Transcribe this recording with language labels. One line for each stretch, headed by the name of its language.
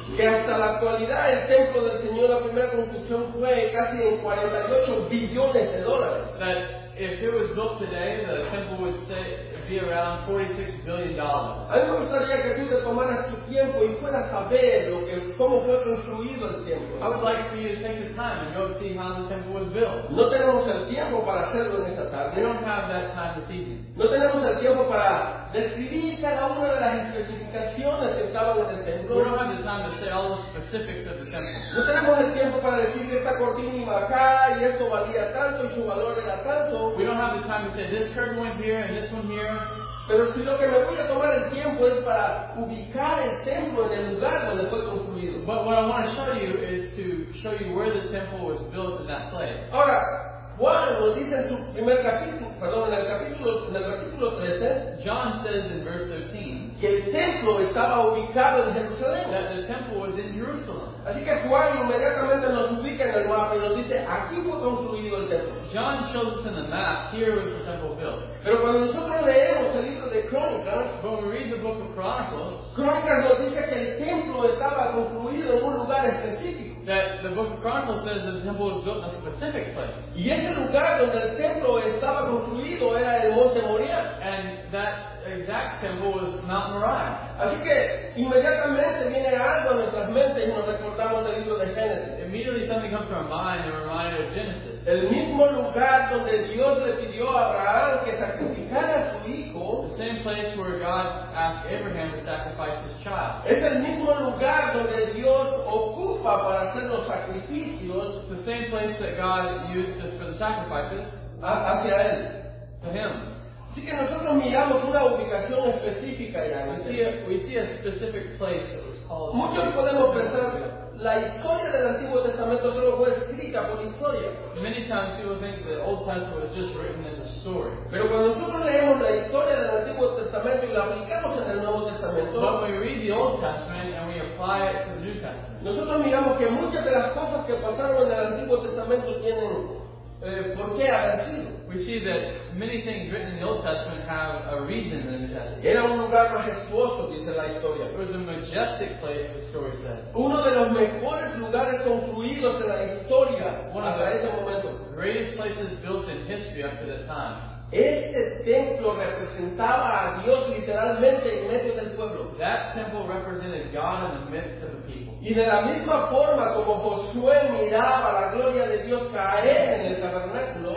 Spanish: Que hasta la actualidad el templo del Señor la primera construcción fue casi en 48 billones de dólares.
English: That if it was built today, the temple would say. Be around $46 billion.
Spanish: A mí me gustaría que tú te tomaras tu tiempo y puedas saber lo que cómo fue construido el templo.
English: I would like for you to take the time and go see how the temple was built.
Spanish: No tenemos el tiempo para hacerlo en esta tarde.
English: We don't have that time this evening.
Spanish: No tenemos el tiempo para describir cada una de las especificaciones que estaban en el templo.
English: We don't have the time to say all the specifics of the temple.
Spanish: No tenemos el tiempo para decir que esta cortina iba acá y esto valía tanto y su valor era tanto.
English: We don't have the time to say this curtain went here and this one here.
Spanish: Pero si lo que me voy a tomar el tiempo es para ubicar el templo en el lugar donde fue construido.
English: But what I want to show you is to show you where the temple was built in that place.
Spanish: Ahora, Juan lo dice en su primer capítulo, perdón, en el versículo 13.
English: John says in verse 13
Spanish: que el templo estaba ubicado en Jerusalén.
English: That the temple was in Jerusalem.
Spanish: Así que Juan inmediatamente nos ubica en el mapa y nos dice aquí fue construido el templo.
English: John shows us in the map here was the temple built.
Spanish: Pero cuando nosotros leemos el libro de Crónicas,
English: when we read the book of Chronicles,
Spanish: Crónicas nos dice que el templo estaba construido en un lugar específico.
English: That the book of Chronicles says the temple was built in a specific place.
Spanish: Y ese lugar donde el templo estaba construido era el Monte Moriah.
English: And that exact temple was Mount Moriah.
Spanish: Así que inmediatamente viene algo a nuestras mentes y nos recordamos del libro de Génesis.
English: Immediately something comes to our mind and reminds us of Genesis.
Spanish: El mismo lugar donde Dios le pidió a Abraham que sacrificara a su hijo.
English: The same place where God asked Abraham to sacrifice his child.
Spanish: Es el mismo lugar donde Dios ocupa para hacer los sacrificios.
English: The same place that God used for the sacrifices.
Spanish: Hacia él.
English: To him.
Spanish: Así que nosotros miramos una ubicación específica ya.
English: We see a specific place that was called.
Spanish: Muchos podemos pensar la historia del Antiguo Testamento solo fue escrita por historia.
English: Many times people think the Old Testament was just written as a story.
Spanish: Pero cuando nosotros leemos la historia del Antiguo Testamento y la aplicamos en el Nuevo Testamento,
English: when we read the Old Testament and we apply it to the New Testament,
Spanish: nosotros miramos que muchas de las cosas que pasaron en el Antiguo Testamento tienen ¿por qué ha sido?
English: We see that many things written in the Old Testament have a reason in the New Testament.
Spanish: Era un lugar majestuoso, dice la historia.
English: It was a majestic place, the story says.
Spanish: Uno de los mejores lugares construidos de la historia hasta ese momento.
English: Greatest places built in history up to that time.
Spanish: Este templo representaba a Dios literalmente en medio del pueblo.
English: That temple represented God in the midst of the people.
Spanish: Y de la misma forma como Josué miraba la gloria de Dios caer en el tabernáculo,